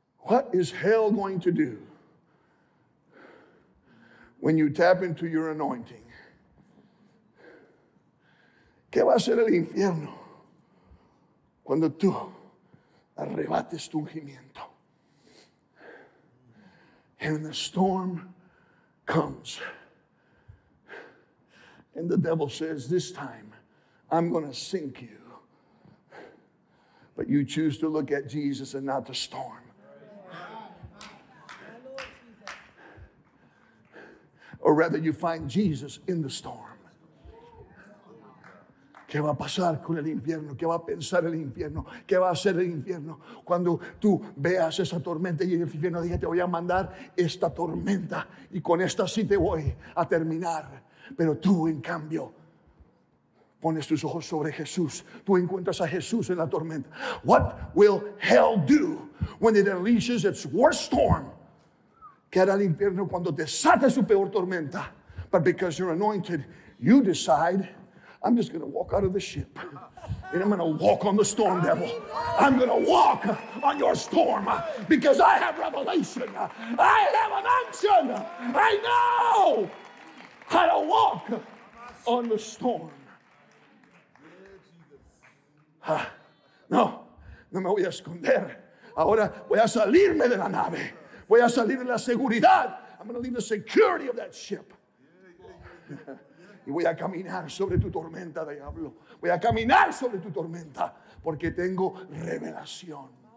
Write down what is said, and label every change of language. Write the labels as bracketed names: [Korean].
[English] What is hell going to do when you tap into your anointing? [Spanish] ¿Qué va a hacer el infierno cuando tú arrebates tu ungimiento? [English] And the storm comes. And the devil says, this time I'm going to sink you. But you choose to look at Jesus and not the storm. Or rather, you find Jesus in the storm. [Spanish] ¿Qué va a pasar con el infierno? ¿Qué va a pensar el infierno? ¿Qué va a hacer el infierno? Cuando tú veas esa tormenta y el infierno dice, te voy a mandar esta tormenta y con esta sí te voy a terminar. Pero tú, en cambio, pones tus ojos sobre Jesús. Tú encuentras a Jesús en la tormenta. [English] What will hell do when it unleashes its worst storm? [Spanish] ¿Qué hará el infierno cuando desate su peor tormenta? [English] But because you're anointed, you decide, I'm just going to walk out of the ship. And I'm going to walk on the storm, devil. I'm going to walk on your storm because I have revelation. I have an unction. I know how to walk on the storm. [Spanish] No, no me voy a esconder. Ahora voy a salirme de la nave. Voy a salir de la seguridad. [English] I'm going to leave the security of that ship. [Spanish] Y voy a caminar sobre tu tormenta, diablo. Voy a caminar sobre tu tormenta porque tengo revelación.